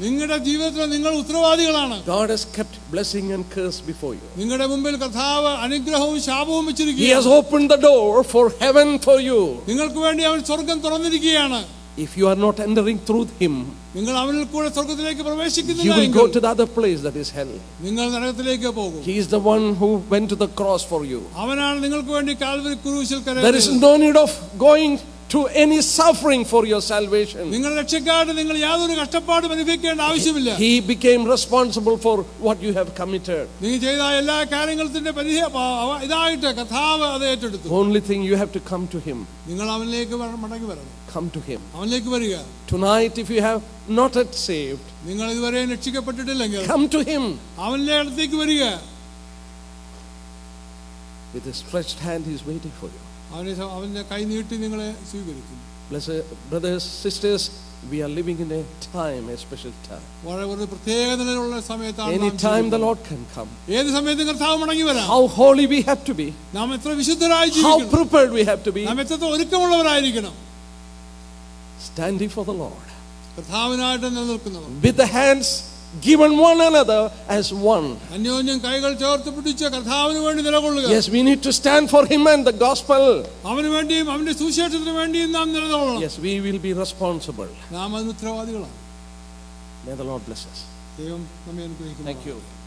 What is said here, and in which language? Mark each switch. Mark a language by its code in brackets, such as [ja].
[ml] നിങ്ങളുടെ ജീവിതത്തിൽ നിങ്ങൾ ഉത്തരവാദികളാണ്. [en] God has kept blessing and curse before you. [ml] നിങ്ങളുടെ മുമ്പിൽ കർത്താവ് അനുഗ്രഹവും ശാപവും വെച്ചിരിക്കുന്നു. [en] He has opened the door for heaven for you. [ml] നിങ്ങൾക്ക് വേണ്ടി അവൻ സ്വർഗ്ഗം തുറന്നിരിക്കുകയാണ്. [en] If you are not entering through him, [ml] നിങ്ങൾ അവനിൽ കൂടെ സ്വർഗ്ഗത്തിലേക്ക് പ്രവേശിക്കുന്നില്ല. [en] You will go to the other place, that is hell. [ml] നിങ്ങൾ നരകത്തിലേക്ക് പോകും. [en] He is the one who went to the cross for you. [ml] അവനാണ് നിങ്ങൾക്ക് വേണ്ടി കാൽവരി ക്രൂശിൽ കരഞ്ഞത്. [en] There is no need of going to any suffering for your salvation. [ml] നിങ്ങൾ രക്ഷിക്കാതെ നിങ്ങൾ യാതൊരു കഷ്ടപ്പാടും അനുഭവിക്കേണ്ട ആവശ്യമില്ല. [en] He became responsible for what you have committed. [ml] നിങ്ങൾ ചെയ്ത എല്ലാ കാര്യങ്ങളുടെ പരിഹ ഇതായിട്ട് കർത്താവ് അത് ഏറ്റെടുത്തു. [en] Only thing you have to come to him. [ml] നിങ്ങൾ അവനിലേക്ക് മടങ്ങി വരണം. [en] Come to him. [ml] അവനിലേക്ക് വരിക. [en] Tonight if you have not yet saved, [ml] നിങ്ങൾ ഇതുവരെ രക്ഷിക്കപ്പെട്ടിട്ടില്ലെങ്കിൽ, [en] come to him. [ml] അവനിലേക്ക് വരിക. [en] With his stretched hand he is waiting for you. [ml] അവന്റെ കൈ നീട്ടി നിങ്ങളെ സ്വീകരിക്കും. [en] Brothers sisters, we are living in a time, a special time. [ml] വളരെ പ്രത്യേക നിലയിലുള്ള സമയത്താണ്. [en] Any time the Lord can come. [ml] ഏത് സമയത്തും കർത്താവ് മടങ്ങി വരാം. [en] How holy we have to be. [ml] നാം എത്ര വിശുദ്ധരായി ജീവിക്കണം. [en] How prepared we have to be. [ml] നാം എത്ര ഒരുക്കമുള്ളവരായിരിക്കണം. [en] Standing for the Lord. [ml] കർത്താവിനായിട്ട് നിലനിൽക്കുന്നവർ. [en] With the hands given one another as one. [ml] അന്യോന്യം കൈകൾ ചേർത്ത് പിടിച്ച് കർത്താവിന് വേണ്ടി നിലകൊള്ളുക. [en] Yes, we need to stand for him and the gospel. [ml] അവനു വേണ്ടിയും അവന്റെ സുവിശേഷത്തിനു വേണ്ടിയും നാം നിലകൊള്ളണം. [en] Yes, we will be responsible. [ml] നാം അതിന് ഉത്തരവാദികളാണ്. [en] May the Lord bless us. [ml] ദൈവം നമ്മെ അനുഗ്രഹിക്കും. [en] Thank you.